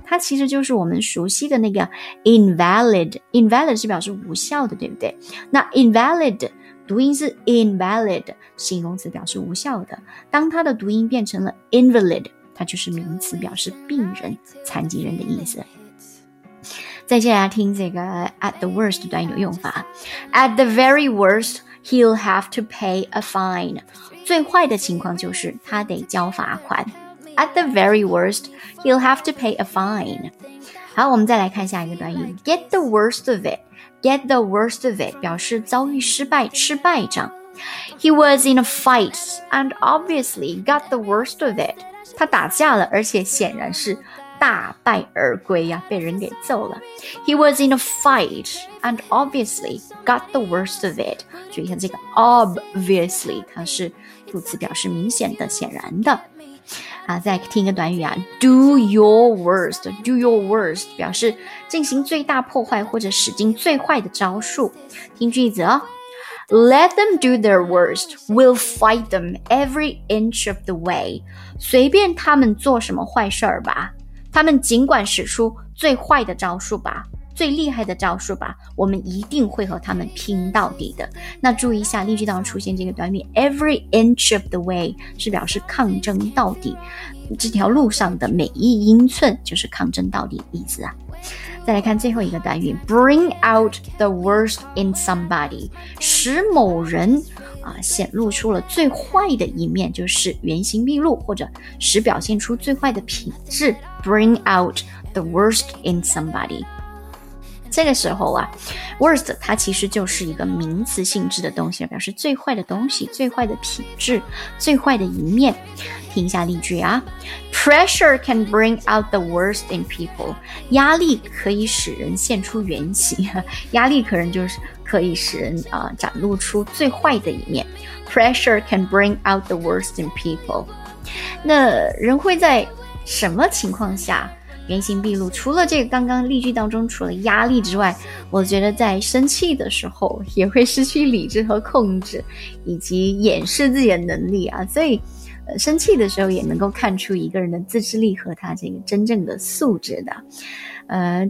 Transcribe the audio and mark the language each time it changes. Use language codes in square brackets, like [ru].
[zh] 它其实就是我们熟悉的那个 invalid。 invalid 是表示无效的，对不对？那 invalid 读音是 invalid， 形容词表示无效的。当它的读音变成了 invalid。它就是名词，表示病人、残疾人的意思。再接下来听这个 [en] at the worst [zh] 短语用法。 [en] At the very worst, he'll have to pay a fine. [zh] 最坏的情况就是他得交罚款。 [en] At the very worst, he'll have to pay a fine. [zh] 好，我们再来看下一个短语。 [en] Get the worst of it. Get the worst of it [zh] 表示遭遇失败，吃败仗。 [en] He was in a fight and obviously got the worst of it. [zh] 他打架了，而且显然是大败而归呀，被人给揍了。 [en] He was in a fight and obviously got the worst of it. [zh] 注意一下这个 obviously， 它是副词，表示明显的、显然的。啊，再听一个短语啊 ， [en] do your worst， [zh] do your worst 表示进行最大破坏或者使尽最坏的招数。听句子哦。 [en] Let them do their worst. We'll fight them every inch of the way. [zh] 随便他们做什么坏事儿吧，他们尽管使出最坏的招数吧，最厉害的招数吧，我们一定会和他们拼到底的。那注意一下例句当中出现这个短语 [en] every inch of the way [zh] 是表示抗争到底，这条路上的每一英寸就是抗争到底的意思啊。再来看最后一个单元 [en] Bring out the worst in somebody， [zh] 使某人、显露出了最坏的一面，就是原形毕露，或者使表现出最坏的品质。 [en] Bring out the worst in somebody， [zh] 这个时候啊 worst 它其实就是一个名词性质的东西，表示最坏的东西，最坏的品质，最坏的一面。听一下例句啊。 [en] Pressure can bring out the worst in people. [zh] 压力可以使人现出原形，压力可能就是可以使人、展露出最坏的一面。 [en] Pressure can bring out the worst in people. [zh] 那人会在什么情况下原形毕露？除了这个刚刚例句当中除了压力之外，我觉得在生气的时候也会失去理智和控制，以及掩饰自己的能力啊。所以生气的时候也能够看出一个人的自制力和他这个真正的素质的。